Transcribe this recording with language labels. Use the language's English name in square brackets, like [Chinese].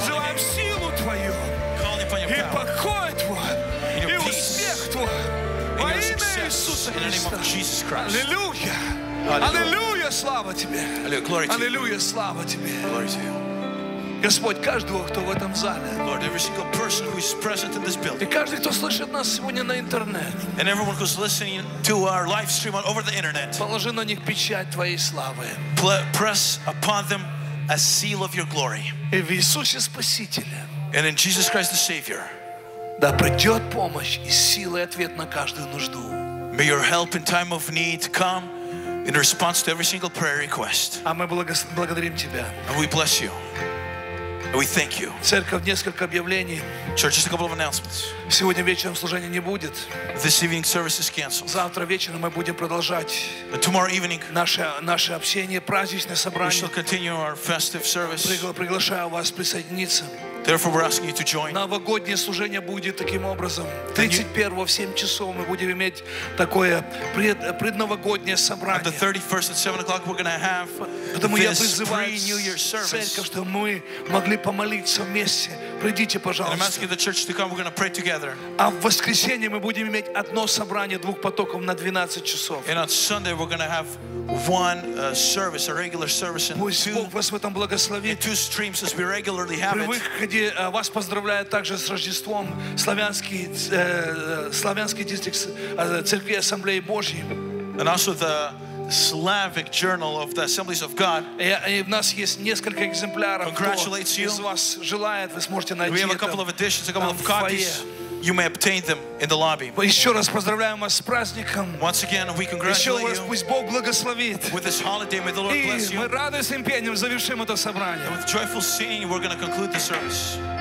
[English] holy name. [Russian] Призываем силу Твою. [English] Calling upon your power. [Russian] И покой Твой. [English] And your peace. [Russian] И успех Твой. Во имя Иисуса Христа. [English] In the name of Jesus Christ. [Russian] Аллилуйя. Аллилуйя. Слава Тебе. [English] Glory to you. [Russian] Аллилуйя. Слава Тебе. [English] Glory to you. [Russian] Господь, каждого, кто в этом зале. [English] Lord, every single person who is present in this building. [Russian] И каждый, кто слышит нас сегодня на интернете. [English] And everyone who's listening to our live stream over the internet. [Russian] Положи на них печать твоей славы. [English] Press upon them a seal of your glory. [Russian] И в Иисусе Спасителе. [English] And in Jesus Christ the Savior. [Russian] Да придет помощь и сила и ответ на каждую нужду. [English] May your help in time of need come in response to every single prayer request. [Russian] А мы благодарим тебя. [English] And we bless you. We thank you. [Russian] Церковь, несколько объявлений. [English] Church, just a couple of announcements. [Russian] Сегодня вечером служения не будет. [English] This evening service is canceled. [Russian] Завтра вечером мы будем продолжать. [English] But tomorrow evening. [Russian] Наше общение, праздничное собрание. [English] We shall continue our festive service. [Russian] Приглашаю вас присоединиться. [English] Therefore, we're asking you to join. [Russian] Новогоднее служение будет таким образом. 31-го в 7 часов мы будем иметь такое предновогоднее собрание. [English] At the 31st at 7 o'clock we're going to have [Russian] Потому [English] this pre-New Year service. [Russian] Церковь, чтобы мы могли помолиться вместе. Придите, пожалуйста. [English] And I'm asking the church to come. We're going to pray together. [Russian] А в воскресенье мы будем иметь одно собрание двух потоков на 12 часов. [English] And on Sunday we're going to have one service, a regular service in two streams as we regularly have it. [Russian] Где вас поздравляют также с Рождеством славянский дистрикт Церкви Ассамблеи Божьей. [English] And also the Slavic Journal of the Assemblies of God. [Russian] И у нас есть несколько экземпляров. [English] Congratulates you. [Russian] Из вас желает, вы сможете найти. [English] We have a couple of editions, a couple of copies. You may obtain them in the lobby. [Russian] Еще раз поздравляем вас с праздником. [English] Once again, we congratulate you. [Russian] Еще раз пусть Бог благословит. [English] With this holiday, may the Lord bless you. [Russian] И мы радостным пением завершим это собрание. [English] And with joyful singing, we're going to conclude the service.